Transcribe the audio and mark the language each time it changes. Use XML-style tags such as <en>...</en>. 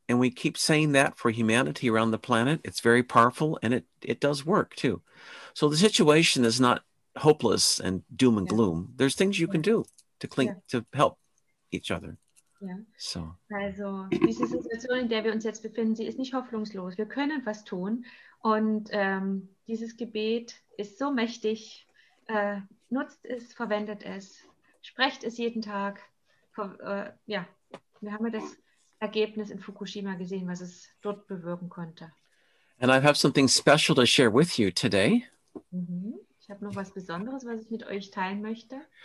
<en>And we keep saying that for humanity around the planet. It's very powerful and it does work too. So the situation is not hopeless and doom and gloom. There's things you can do to to help each other. Yeah. So.</en> <de>Also diese Situation, in der wir uns jetzt befinden, sie ist nicht hoffnungslos. Wir können was tun. Und dieses Gebet ist so mächtig. Nutzt es, verwendet es, sprecht es jeden Tag. Wir haben ja das Ergebnis in Fukushima gesehen, was es dort bewirken konnte.</de> <en>And I have something special to share with you today.</en> <de>Ich habe noch was Besonderes, was ich mit euch teilen möchte.</de>